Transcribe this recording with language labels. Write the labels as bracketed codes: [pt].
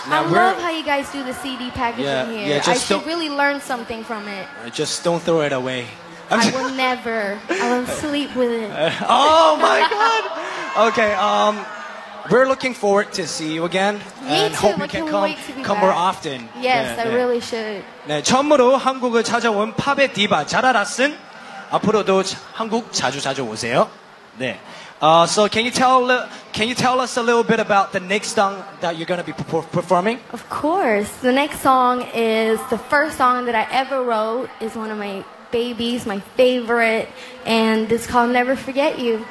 [en] Now I love how you guys do the CD packaging yeah, Yeah, I should really learn something from it. Just don't throw it away. I will never. I will sleep with it. Oh, my God. Okay, we're looking forward to see you again. Me too. Hope I you can come more often. Yes, yeah, I yeah. really should. [ko] 네, 처음으로 한국을 찾아온 팝의 디바 자라라슨. 앞으로도 한국 자주 오세요. 네. [en] So can you tell us a little bit about the next song that you're going to be performing? Of course. The next song is the first song that I ever wrote. It's one of my babies, my favorite, and it's called Never Forget You.